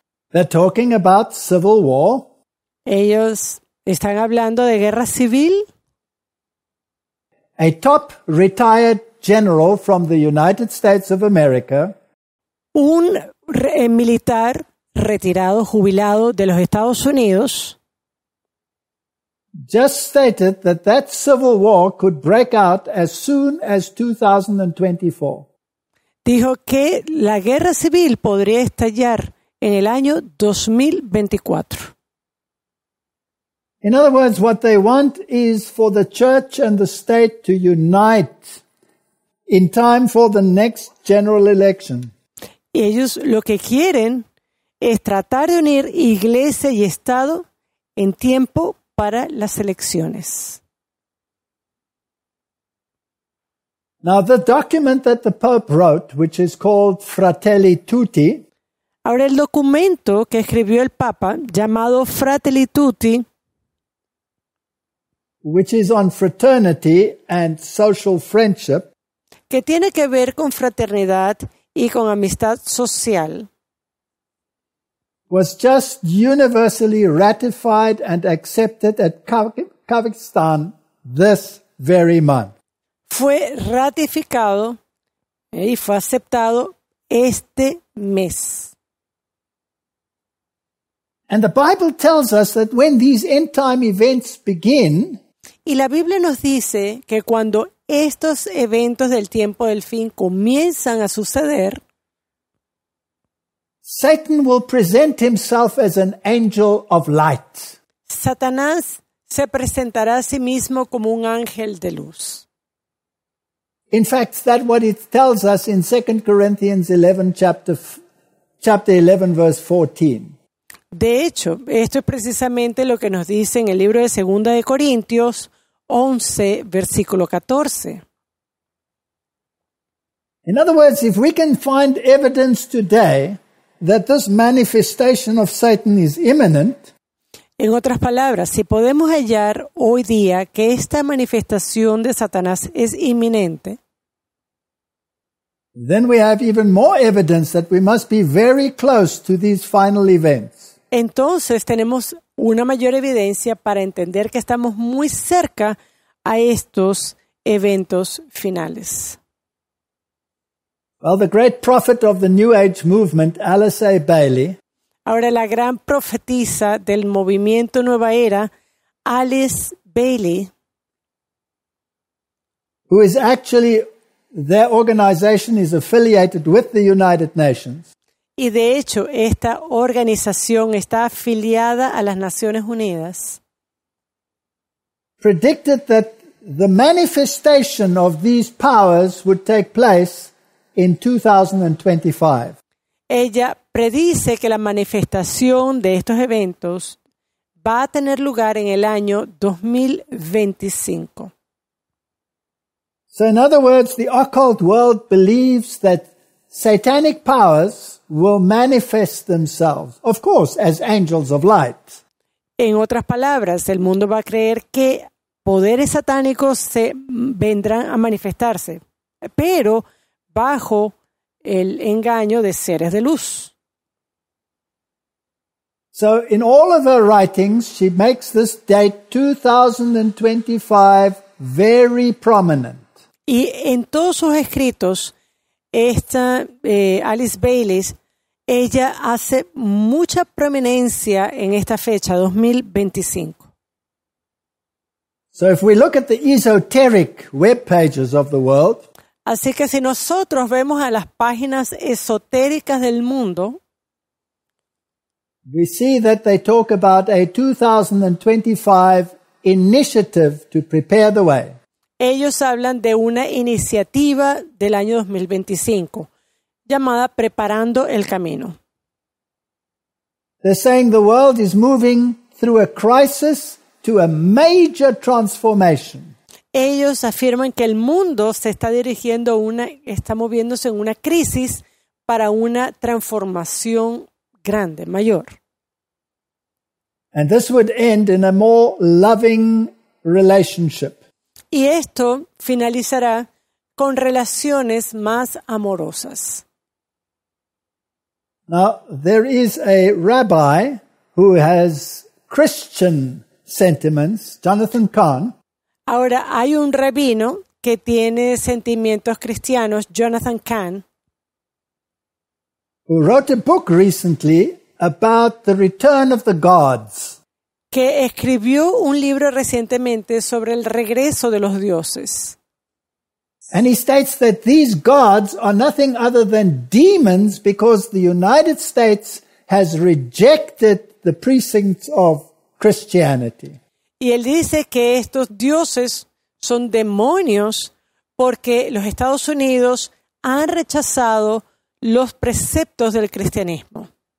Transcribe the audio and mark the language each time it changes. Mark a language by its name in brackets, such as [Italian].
[English] They're talking about civil war. [Spanish] Ellos están hablando de guerra civil. [English] A top retired general from the United States of America. [Spanish] Un militar retirado, jubilado de los Estados Unidos. [English] Just stated that that civil war could break out as soon as 2024. [Spanish] Dijo que la guerra civil podría estallar en el año 2024. [English] In other words, what they want is for the church and the state to unite in time for the next general election. [Spanish] Y ellos lo que quieren es tratar de unir iglesia y estado en tiempo para las elecciones. [English] Now the document that the Pope wrote, which is called Fratelli Tutti. [Spanish] Ahora el documento que escribió el Papa llamado Fratelli Tutti, [English] which is on fraternity and social friendship, [Spanish] que tiene que ver con fraternidad y con amistad social, [English] was just universally ratified and accepted at Kazakhstan this very month. [Spanish] Fue ratificado y fue aceptado este mes. [English] And the Bible tells us that when these end time events begin, [Spanish] y la Biblia nos dice que cuando estos eventos del tiempo del fin comienzan a suceder, [English] Satan will present himself as an angel of light. [Spanish] Satanás se presentará a sí mismo como un ángel de luz. [English] In fact, that's what it tells us in 2 Corinthians 11, chapter 11, verse 14. [Spanish] De hecho, esto es precisamente lo que nos dice en el libro de 2 de Corintios 11, versículo 14. [English] In other words, if we can find evidence today that this manifestation of Satan is imminent, [Spanish] en otras palabras, si podemos hallar hoy día que esta manifestación de Satanás es inminente, [English] then we have even more evidence that we must be very close to these final events. [Spanish] Entonces tenemos una mayor evidencia para entender que estamos muy cerca a estos eventos finales. [English] Well, the great prophet of the New Age movement, Alice A. Bailey. [Spanish] Ahora la gran profetisa del movimiento Nueva Era, Alice Bailey, [English] who is actually their organization is affiliated with the United Nations. [Spanish] Y de hecho, esta organización está afiliada a las Naciones Unidas. [English] Predicted that the manifestation of these powers would take place in 2025. [Spanish] ella predice que la manifestación de estos eventos va a tener lugar en el año 2025. [English] So in other words, the occult world believes that satanic powers will manifest themselves, of course, as angels of light. [Spanish] En otras palabras, el mundo va a creer que poderes satánicos se vendrán a manifestarse, pero bajo el engaño de seres de luz. [English] So in all of her writings, she makes this date 2025 very prominent. [Spanish] Y en todos sus escritos, esta Alice Bailey, ella hace mucha prominencia en esta fecha, 2025. [English] So if we look at the esoteric web pages of the world, [Spanish] así que si nosotros vemos a las páginas esotéricas del mundo, [English] we see that they talk about a 2025 initiative to prepare the way. [Spanish] Ellos hablan de una iniciativa del año 2025 llamada Preparando el Camino. [English] They're saying the world is moving through a crisis to a major transformation. [Spanish] Ellos afirman que el mundo se está dirigiendo está moviéndose en una crisis para una transformación grande, mayor. [English] And this would end in a more loving relationship. [Spanish] Y esto finalizará con relaciones más amorosas. [English] Now, there is a rabbi who has Christian sentiments, Jonathan Cahn. [Spanish] Ahora, hay un rabino que tiene sentimientos cristianos, Jonathan Cahn, [English] who wrote a book recently about the return of the gods. [Spanish] Que escribió un libro recientemente sobre el regreso de los dioses. [English] And he states that these gods are nothing other than demons because the United States has rejected the precepts of Christianity. [Spanish] Y él dice que estos dioses son demonios porque los Estados Unidos han rechazado los preceptos del cristianismo.